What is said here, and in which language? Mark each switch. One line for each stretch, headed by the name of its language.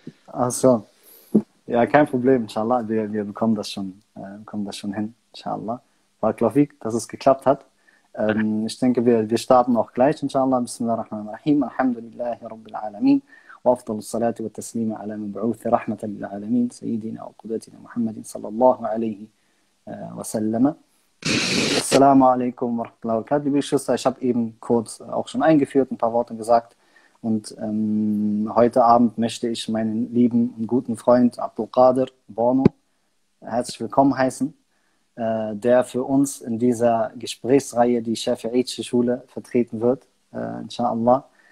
Arabic: أصلاً يا كان problem إن شاء الله
German: wir bekommen das schon hin
Arabic: إن شاء الله بارك الله فيك
German: dass es geklappt hat. Ich denke wir starten auch gleich
Arabic: إن شاء الله. بسم الله الرحمن الرحيم الحمد لله رب العالمين وأفضل الصلاة والتسليم على المبعوث رحمة للعالمين سيدنا وقدوتنا محمد صلى الله عليه وسلم. Assalamu alaikum wa rahmatullahi wa barakatuh,
German: liebe Geschwister. Ich habe eben kurz auch schon eingeführt, ein paar Worte gesagt. Und heute Abend möchte ich meinen lieben und guten Freund Abdul Qadir Bono herzlich willkommen heißen, der für uns in dieser Gesprächsreihe die Shafi'itische Schule vertreten wird, inshallah.